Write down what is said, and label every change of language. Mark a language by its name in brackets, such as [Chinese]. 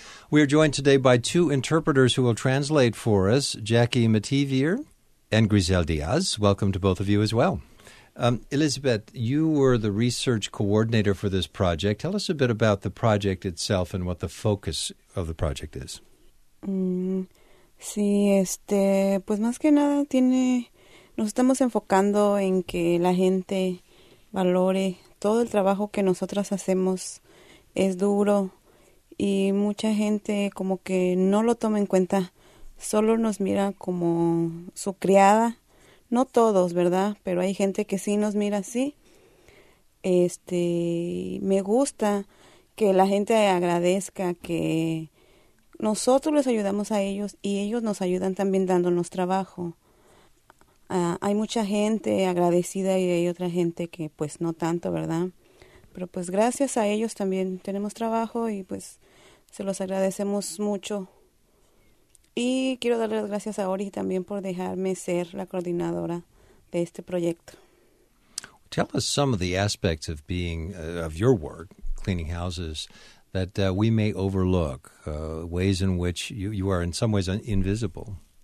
[English] We are joined today by two interpreters who will translate for us, Jackie Mativier and Grisel Diaz. Welcome to both of you as well. Elizabeth, you were the research coordinator for this project. Tell us a bit about the project itself and what the focus of the project is. [Spanish] Sí, pues más que nada tiene... Nos estamos enfocando en que la gente valore todo el trabajo que nosotras hacemos. Es duro y mucha gente como que no lo toma en cuenta. Solo nos mira como su criada. No todos, ¿verdad? Pero hay gente que sí nos mira así. Me gusta que la gente agradezca que nosotros les ayudamos a ellos y ellos nos ayudan también dándonos trabajo. Hay mucha gente agradecida y hay otra gente que pues no tanto, ¿verdad? Pero pues gracias a ellos también tenemos trabajo y pues se los agradecemos mucho. Y quiero darle las gracias a Ori también por dejarme ser la coordinadora de este proyecto. [English] Tell us some of the aspects of being of your work, cleaning houses, that we may overlook, ways in which you are in some ways invisible.